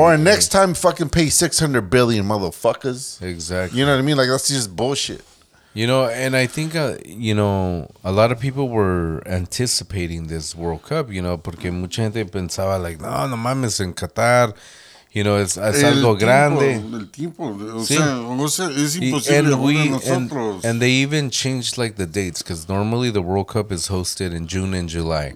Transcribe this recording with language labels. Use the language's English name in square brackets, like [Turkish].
[English] Next time, fucking pay $600 billion, motherfuckers. Exactly. You know what I mean? Like, that's just bullshit. You know, and I think, you know, a lot of people were anticipating this World Cup, you know, [Spanish] porque mucha gente pensaba, [English] like, [Spanish] no mames, en Qatar, [English] you know, [Spanish] es algo tiempo, grande. El tiempo, o sea, es imposible para nosotros. [English] And they even changed, like, the dates, because normally the World Cup is hosted in June and July.